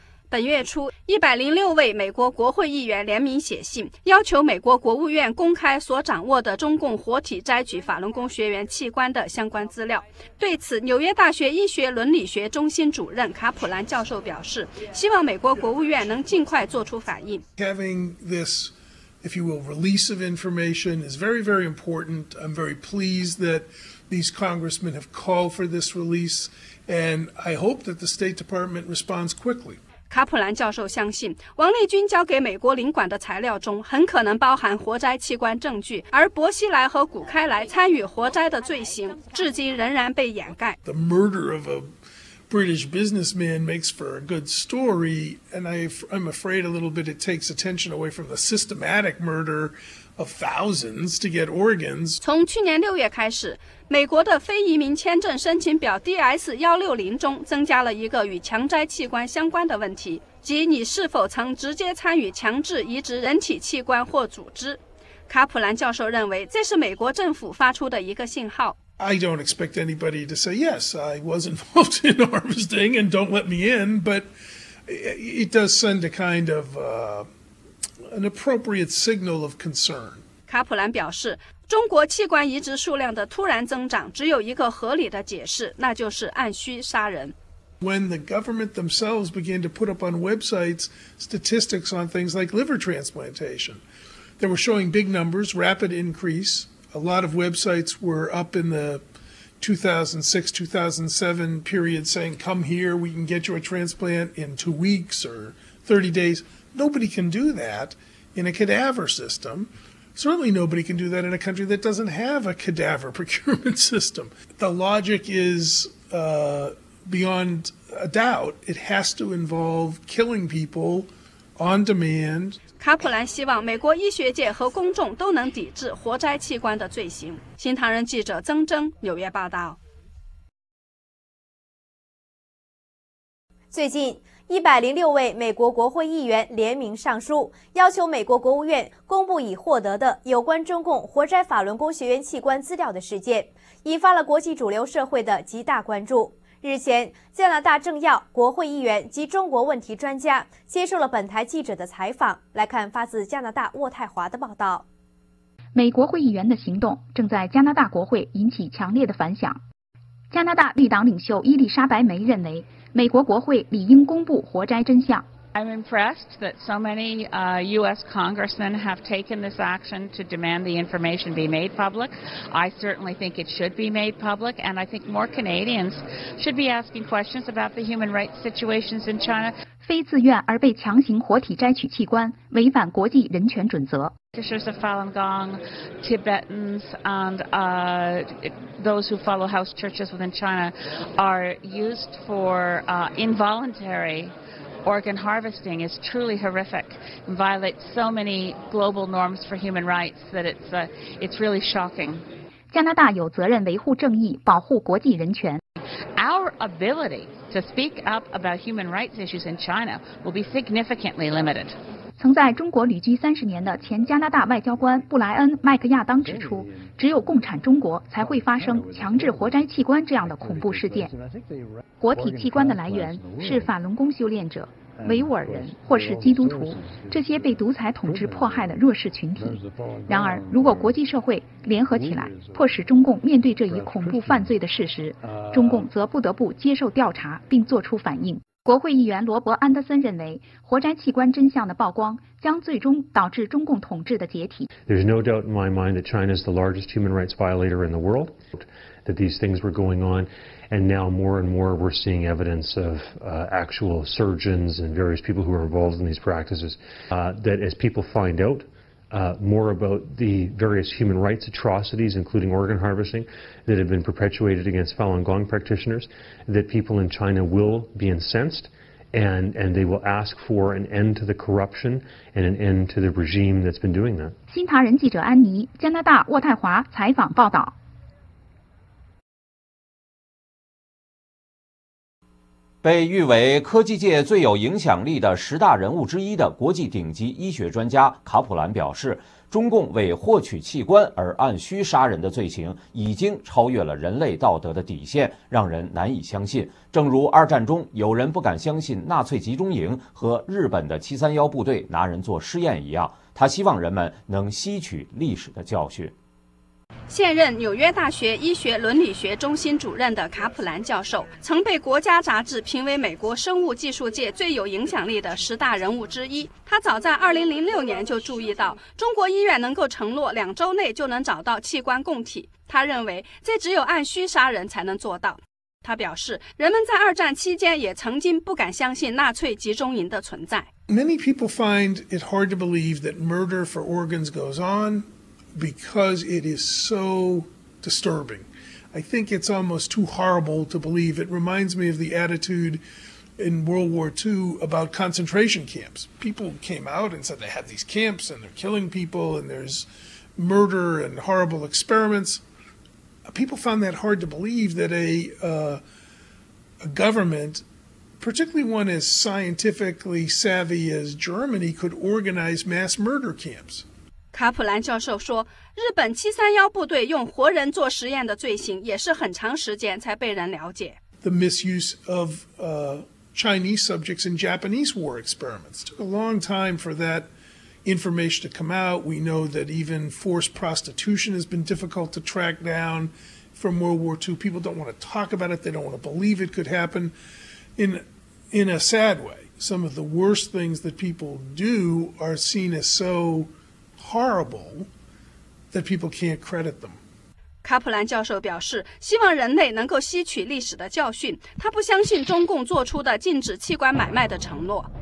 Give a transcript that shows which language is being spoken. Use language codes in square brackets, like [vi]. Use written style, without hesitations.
[zh] 本月初，106位美国国会议员联名写信，要求美国国务院公开所掌握的中共活体摘取法轮功学员器官的相关资料。对此，纽约大学医学伦理学中心主任卡普兰教授表示，希望美国国务院能尽快做出反应。 [en] Having this, if you will, release of information is very, very important. I'm very pleased that these congressmen have called for this release, and I hope that the State Department responds quickly. [zh] 卡普兰教授相信，王立军交给美国领馆的材料中很可能包含活摘器官证据，而薄熙来和古开来参与活摘的罪行至今仍然被掩盖。 [en] The murder of a British businessman makes for a good story, and I'm afraid a little bit it takes attention away from the systematic murder of thousands to get organs. [zh] 从去年6月开始，美国的非移民签证申请表 DS-160 中增加了一个与强摘器官相关的问题，即你是否曾直接参与强制移植人体器官或组织。卡普兰教授认为，这是美国政府发出的一个信号。 [en] I don't expect anybody to say yes, I was involved in harvesting and don't let me in, but it does send a kind of an appropriate signal of concern. [zh] 卡普兰表示，中国器官移植数量的突然增长只有一个合理的解释，那就是按需杀人。 [en] When the government themselves began to put up on websites statistics on things like liver transplantation, they were showing big numbers, rapid increase. A lot of websites were up in the 2006-2007 period saying, come here, we can get you a transplant in 2 weeks or 30 days. Nobody can do that in a cadaver system. Certainly nobody can do that in a country that doesn't have a cadaver procurement system. The logic is beyond a doubt. It has to involve killing people on demand. [zh] 卡普兰希望美国医学界和公众都能抵制活摘器官的罪行。新唐人记者曾征纽约报道。最近106位美国国会议员联名上书，要求美国国务院公布已获得的有关中共活摘法轮功学员器官资料的事件，引发了国际主流社会的极大关注。日前，加拿大政要、国会议员及中国问题专家接受了本台记者的采访。来看发自加拿大渥太华的报道。美国会议员的行动正在加拿大国会引起强烈的反响。加拿大绿党领袖伊丽莎白梅认为，美国国会理应公布活摘真相。 [en] I'm impressed that so many U.S. congressmen have taken this action to demand the information be made public. I certainly think it should be made public, and I think more Canadians should be asking questions about the human rights situations in China. [zh] 非自愿而被强行活体摘取器官，违反国际人权准则。 [en] Practitioners of Falun Gong, Tibetans, and those who follow house churches within China are used for involuntary. Organ harvesting is truly horrific and violates so many global norms for human rights that it's really shocking. [zh] 加拿大有责任维护正义，保护国际人权。 [en] Our ability to speak up about human rights issues in China will be significantly limited. [zh] 曾在中国旅居30年的前加拿大外交官布莱恩·麦克亚当指出，只有共产中国才会发生强制活摘器官这样的恐怖事件。活体器官的来源是法轮功修炼者、维吾尔人或是基督徒，这些被独裁统治迫害的弱势群体。然而，如果国际社会联合起来，迫使中共面对这一恐怖犯罪的事实，中共则不得不接受调查并作出反应。国会议员罗伯·安德森认为，活摘器官真相的曝光将最终导致中共统治的解体。 [en] There's no doubt in my mind that China is the largest human rights violator in the world. That these things were going on, and now more and more we're seeing evidence of actual surgeons and various people who are involved in these practices. That as people find out more about the various human rights atrocities, including organ harvesting, that have been perpetuated against Falun Gong practitioners, that people in China will be incensed, and they will ask for an end to the corruption and an end to the regime that's been doing that. [zh] 新唐人记者安妮，加拿大渥太华采访报道。被誉为科技界最有影响力的十大人物之一的国际顶级医学专家卡普兰表示，中共为获取器官而按需杀人的罪行已经超越了人类道德的底线，让人难以相信。正如二战中有人不敢相信纳粹集中营和日本的731部队拿人做试验一样，他希望人们能吸取历史的教训。现任纽约大学医学伦理学中心主任的卡普兰教授曾被国家杂志评为美国生物技术界最有影响力的十大人物之一。他早在2006年就注意到中国医院能够承诺2周内就能找到器官供体，他认为这只有按需杀人才能做到。他表示，人们在二战期间也曾经不敢相信纳粹集中营的存在。 [en] Many people find it hard to believe that murder for organs goes onBecause it is so disturbing. I think it's almost too horrible to believe. It reminds me of the attitude in World War II about concentration camps. People came out and said they had these camps and they're killing people and there's murder and horrible experiments. People found that hard to believe that a government, particularly one as scientifically savvy as Germany, could organize mass murder camps. [zh] 卡普兰教授说，日本731部队用活人做实验的罪行也是很长时间才被人了解。 [en] The misuse of Chinese subjects in Japanese war experiments took a long time for that information to come out. We know that even forced prostitution has been difficult to track down from World War II. People don't want to talk about it. They don't want to believe it could happen in a sad way. Some of the worst things that people do are seen as so... horrible that people can't credit them. [zh] 卡普兰教授表示，希望人类能够吸取历史的教训。他不相信中共做出的禁止器官买卖的承诺。